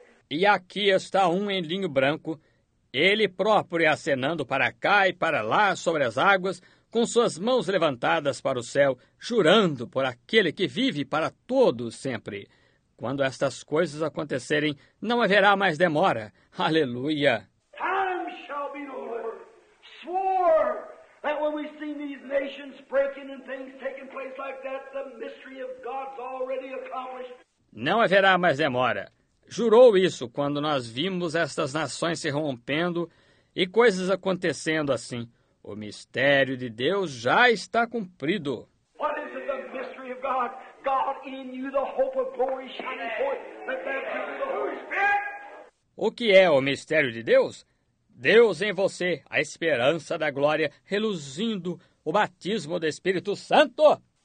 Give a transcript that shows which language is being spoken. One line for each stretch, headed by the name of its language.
Portuguese: E aqui está um em linho branco, ele próprio acenando para cá e para lá sobre as águas, com suas mãos levantadas para o céu, jurando por aquele que vive para todos sempre. Quando estas coisas acontecerem, não haverá mais demora. Aleluia!
English: Time shall be no more. Swore that when we see these nations breaking and things taking place like that, the mystery of God's already accomplished.
Portuguese: Não haverá mais demora. Jurou isso quando nós vimos estas nações se rompendo e coisas acontecendo assim. O mistério de Deus já está cumprido.
English: What is it, the mystery of God? God in you, the hope of glory shining forth, the baptism of the Holy Spirit.
Portuguese: O que é o mistério de Deus? Deus em você, a esperança da glória, reluzindo o batismo do Espírito Santo.